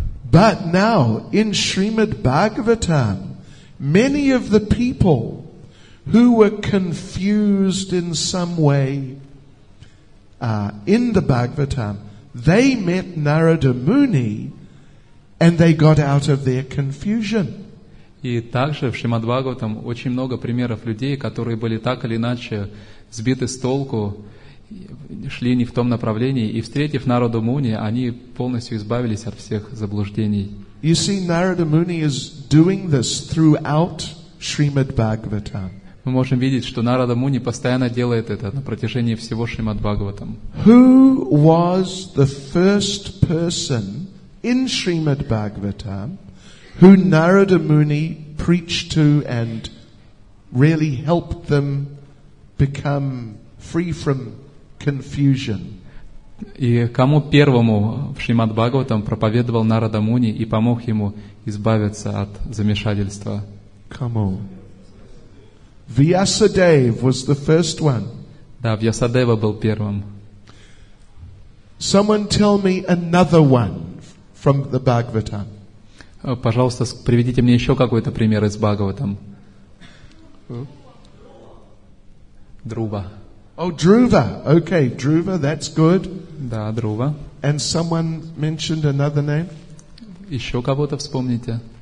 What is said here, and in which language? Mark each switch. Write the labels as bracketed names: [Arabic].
[English] But now in Srimad Bhagavatam, many of the people who were confused in some way in the Bhagavatam, they met Narada Muni and they got out of their confusion. [Russian] И также в Шримад Бхагаватам очень много примеров людей, которые были так или иначе сбиты с толку, шли не в том направлении, и встретив Нараду Муни, они полностью избавились от всех заблуждений. [English] You see, Narada Muni is doing this throughout Srimad Bhagavatam. [Russian] Мы можем видеть, что Нарада Муни постоянно делает это на протяжении всего Шримад Бхагаватам. [English] Who was the first person in Srimad Bhagavatam who Narada Muni preached to and really helped them become free from confusion. [Russian] И кому первому в Шримад Бхагаватам проповедовал Нарада Муни и помог ему избавиться от замешательства? Кому? [English] Vyasadeva was the first one. [Russian] Да, Vyasadeva был первым. [English] Someone tell me another one from the Bhagavatam. [Russian] Пожалуйста, приведите мне еще какой-то пример из Бхагаватам. Друва. [English] Oh, Druva. Okay, Druva, that's good. [Russian] Да, Друва. [English] And someone mentioned another name? [Russian] Еще кого-то вспомните.